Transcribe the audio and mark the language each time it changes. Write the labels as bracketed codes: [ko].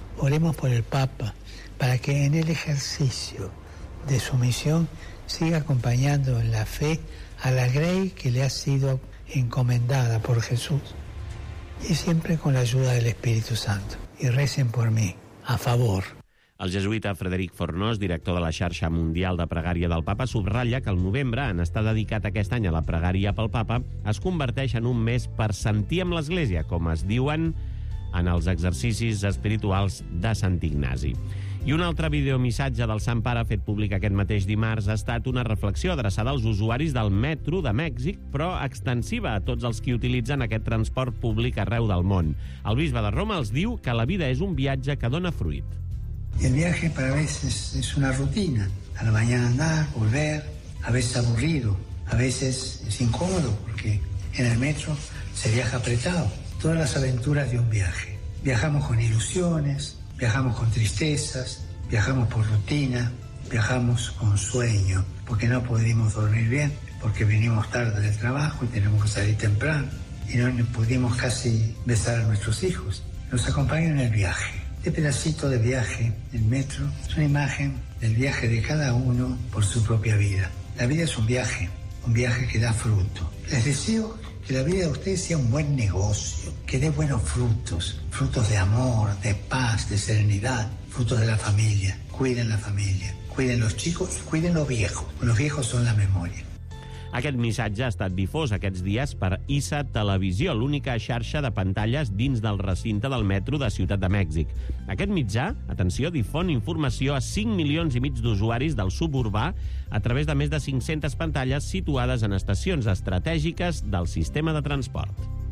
[es] Oremos por el Papa para que en el ejercicio de su misión siga acompañando en la fe a la Grey que le ha sido encomendada por Jesús y siempre con la ayuda del Espíritu Santo. Y recen por mí, a favor. [ca] El jesuïta Frederic Fornós, director de la xarxa mundial de pregària del Papa, subratlla que el novembre, en estar dedicat aquest any a la pregària pel Papa, es converteix en un mes per sentir amb l'Església, com es diuen en els exercicis espirituals de Sant Ignasi. I un altre videomissatge del Sant Pare fet públic aquest mateix dimarts ha estat una reflexió adreçada als usuaris del metro de Mèxic, però extensiva a tots els que utilitzen aquest transport públic arreu del món. El bisbe de Roma els diu que la vida és un viatge que dona fruit. [es] El viaje para veces es una rutina. A la mañana andar, volver, a veces aburrido, a veces es incómodo porque en el metro se viaja apretado. Todas las aventuras de un viaje. Viajamos con ilusiones, viajamos con tristezas, viajamos por rutina, viajamos con sueño, porque no pudimos dormir bien, porque venimos tarde del trabajo y tenemos que salir temprano y no pudimos casi besar a nuestros hijos. Nos acompañan en el viaje. Este pedacito de viaje en metro es una imagen del viaje de cada uno por su propia vida. La vida es un viaje que da fruto. Les deseo que la vida de ustedes sea un buen negocio, que dé buenos frutos, frutos de amor, de paz, de serenidad, frutos de la familia. Cuiden la familia, cuiden los chicos y cuiden los viejos. Los viejos son la memoria. [ca] Aquest missatge ha estat difós aquests dies per ISA Televisió, l'única xarxa de pantalles dins del recinte del metro de Ciutat de Mèxic. Aquest mitjà, atenció, difon informació a 5 milions i mig d'usuaris del suburbà a través de més de 500 pantalles situades en estacions estratègiques del sistema de transport.